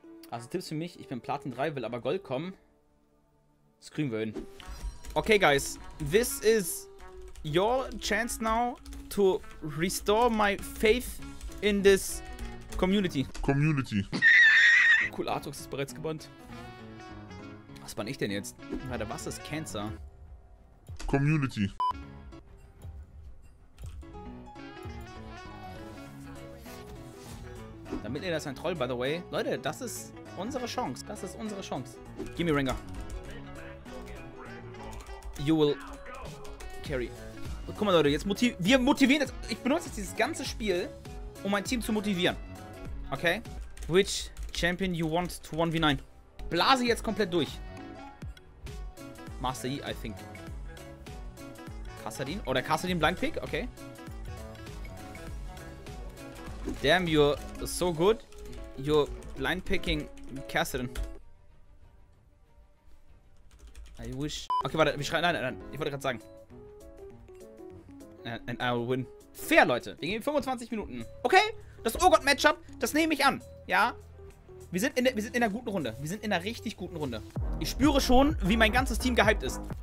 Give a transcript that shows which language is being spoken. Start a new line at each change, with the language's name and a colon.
German: Also Tipps für mich, ich bin Platin 3, will aber Gold kommen. Das kriegen wir hin. Okay, guys.
English: This is your chance now to restore my faith in this community. Community.
German: Cool, Artox ist bereits gebannt. Was bann ich denn jetzt? Warte, was ist Cancer?
English: Community.
German: Damit ihr das ein Troll,
English: by the way.
German: Leute, das ist unsere Chance. Das ist unsere Chance. Gib mir Ranger.
English: You will carry.
German: Guck mal, Leute, jetzt wir motivieren das. Ich benutze jetzt dieses ganze Spiel, um mein Team zu motivieren. Okay?
English: Which champion you want to 1v9?
German: Blase jetzt komplett durch.
English: Master Yi, I think. Kassadin? Oder Kassadin Blind Pick? Okay. Damn, you're so good. You're blind picking Kassadin. I wish.
German: Okay, warte, wir schreien. Nein, ich wollte gerade sagen.
English: And I will win.
German: Fair, Leute. Wir geben 25 Minuten. Okay, das Urgott-Matchup, das nehme ich an. Ja. Wir sind in der guten Runde. Wir sind in einer richtig guten Runde. Ich spüre schon, wie mein ganzes Team gehypt ist.